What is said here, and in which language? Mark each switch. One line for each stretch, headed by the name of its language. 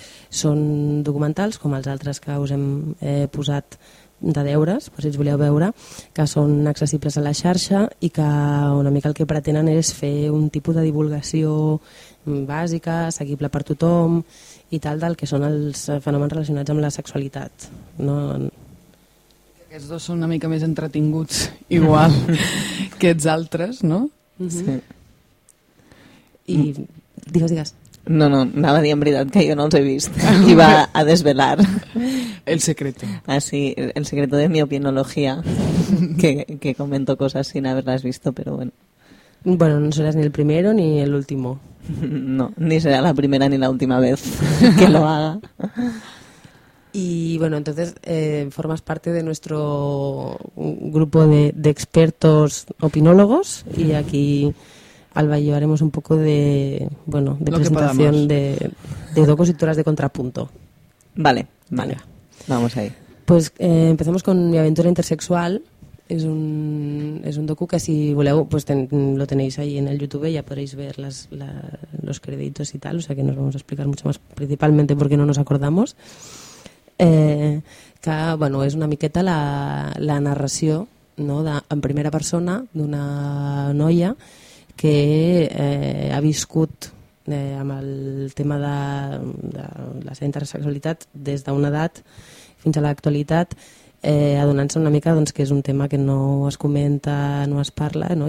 Catalan: Són documentals, com els altres que us hem posat de deures, pues, si els voleu veure, que són accessibles a la xarxa i que una mica el que pretenen és fer un tipus de divulgació bàsica, assequible per tothom i tal, del que són els fenòmens relacionats amb la sexualitat. No? Aquests dos són una mica més entretinguts, igual, que els altres, no? Sí. I digues. No, no, anava a dir en veritat que jo no els he vist. I va a desvelar.
Spanish: El secreto. Ah, sí, el secreto de mi opinología, que comento cosas sin haberlas visto, pero bueno. Bueno, no serás ni el primero ni el último. No, ni será la primera ni la última vez que lo haga. Y bueno, entonces formas parte de nuestro grupo de expertos opinólogos y aquí... Alba y yo haremos un poco de, bueno, de presentación de docos y tú harás de contrapunto. Vale, vale. Venga. Vamos ahí. Pues empezamos con Mi aventura intersexual. Es un docu que
Catalan: si voleu,
Spanish: pues lo tenéis ahí en el YouTube y ya podréis ver los créditos y tal. O sea que nos vamos a explicar mucho más, principalmente porque no nos acordamos. Que, bueno, es una miqueta la narración, ¿no?
Catalan: En primera persona de una noia que ha viscut amb el tema de la seva intersexualitat des d'una edat fins a l'actualitat, adonant-se una mica, doncs, que és un tema que no es comenta, no es parla, no?